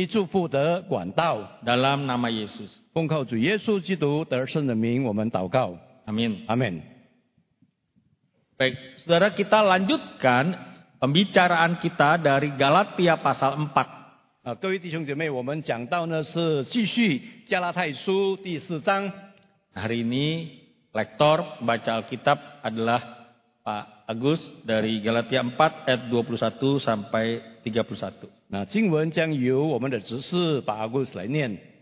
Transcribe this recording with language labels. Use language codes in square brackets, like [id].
[zh] 主啊，求你用你两位仆人成为你祝福的管道。 [id] Dalam nama Yesus. [zh] 奉靠主耶稣基督得胜的名，我们祷告。 [id] Amin. [zh] Amin. [id] Baik, saudara, kita lanjutkan pembicaraan kita dari Galatia pasal 4. [zh] 各位弟兄姐妹，我们讲到呢是继续加拉太书第四章。 [id] Hari ini lektor baca Alkitab adalah Pak Agus dari Galatia 4 ayat 21 sampai 31. [zh] Nah, 经文将由我们的执事 Pak Agus 来念。